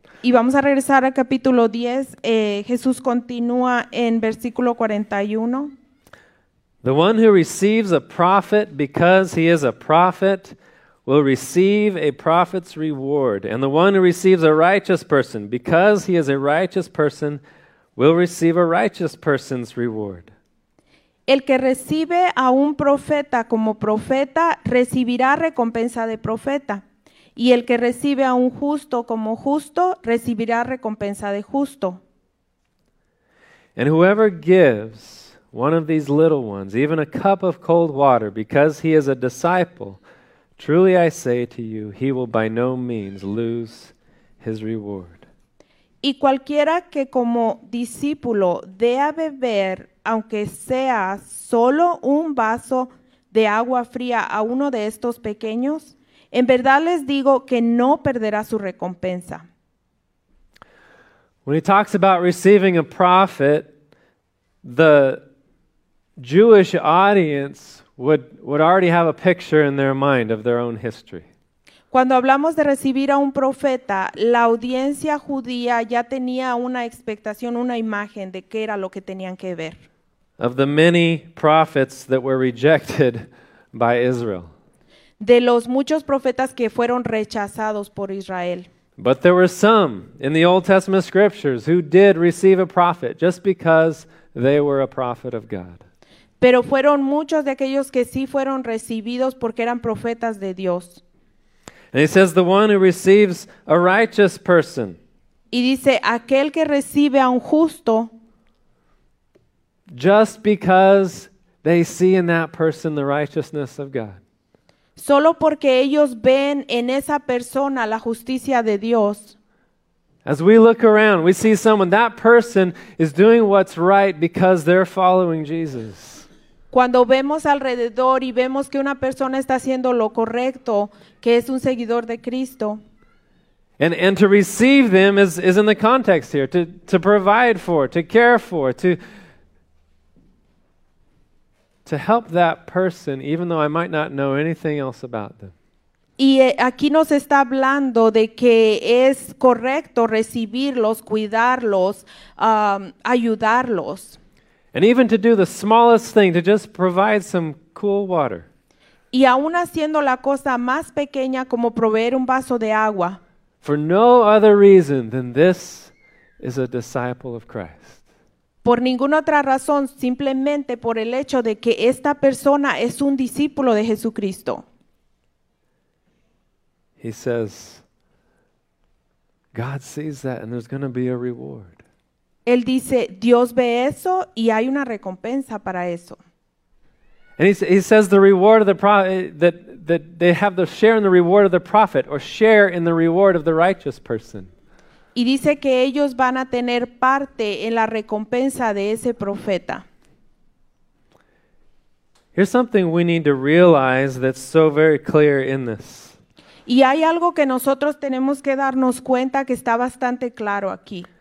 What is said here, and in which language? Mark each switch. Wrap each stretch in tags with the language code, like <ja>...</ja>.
<es>Y vamos a regresar al capítulo 10. Jesús continúa en versículo 41.</es> <en>The one who receives a prophet because he is a prophet will receive a prophet's reward. And the one who receives a righteous person because he is a righteous person will receive a righteous person's reward.</en> <es>El que recibe a un profeta como profeta recibirá recompensa de profeta. Y el que recibe a un justo como justo recibirá recompensa de justo.</es> <en>And whoever gives one of these little ones, even a cup of cold water, because he is a disciple, truly I say to you, he will by no means lose his reward.</en> <es>Y cualquiera que como discípulo dé a beber, aunque sea solo un vaso de agua fría a uno de estos pequeños, en verdad les digo que no perderá su recompensa.</es> <en>When he talks about receiving a prophet, the Jewish audience would already have a picture in their mind of their own history.</en> <es>Cuando hablamos de recibir a un profeta, la audiencia judía ya tenía una expectación, una imagen de qué era lo que tenían que ver.</es> <en>Of the many prophets that were rejected by Israel.</en> <es>De los muchos profetas que fueron rechazados por Israel.</es> <en>But there were some in the Old Testament scriptures who did receive a prophet just because they were a prophet of God.</en> <es>Pero fueron muchos de aquellos que sí fueron recibidos porque eran profetas de Dios.</es> <en>And he says the one who receives a righteous person.</en> <es>Y dice aquel que recibe a un justo.</es> <en>Just because they see in that person the righteousness of God.</en> <es>Solo porque ellos ven en esa persona la justicia de Dios.</es> <en>As we look around, we see someone, that person is doing what's right because they're following Jesus.</en> <es>Cuando vemos alrededor y vemos que una persona está haciendo lo correcto, que es un seguidor de Cristo.</es> <en>And to receive them is in the context here, to provide for, to care for, to help that person, even though I might not know anything else about them.</en> <es>Y aquí nos está hablando de que es correcto recibirlos, cuidarlos, ayudarlos.</es> <en>And even to do the smallest thing, to just provide some cool water.</en> <es>Y aún haciendo la cosa más pequeña como proveer un vaso de agua.</es> <en>For no other reason than this is a disciple of Christ.</en> <es>Por ninguna otra razón, simplemente por el hecho de que esta persona es un discípulo de Jesucristo.</es> <en>He says, God sees that and there's going to be a reward.</en> <es>Él dice, Dios ve eso y hay una recompensa para eso.</es> <en>And he says the reward of the prophet, that they have the share in the reward of the prophet or share in the reward of the righteous person.</en> <es>Y dice que ellos van a tener parte en la recompensa de ese profeta.</es> <en>Here's something we need to realize that's so very clear in this.</en> <es>Y hay algo que nosotros tenemos que darnos cuenta que está bastante claro aquí.</es>